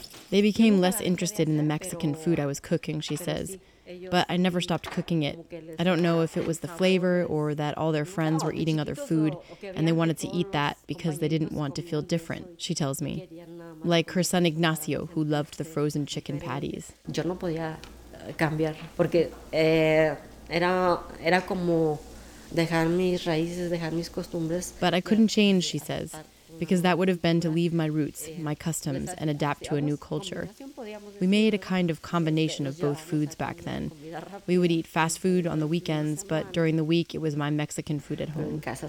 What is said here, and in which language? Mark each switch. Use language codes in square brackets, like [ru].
[en] They became less interested in the Mexican food I was cooking, she says. But I never stopped cooking it. I don't know if it was the flavor or that all their friends were eating other food and they wanted to eat that because they didn't want to feel different, she tells me. Like her son Ignacio, who loved the frozen chicken patties. [es] Yo no podía cambiar porque era como dejar mis raíces, dejar mis costumbres. [en] But I couldn't change, she says. because that would have been to leave my roots, my customs, and adapt to a new culture. We made a kind of combination of both foods back then. We would eat fast food on the weekends, but during the week it was my Mexican food at home.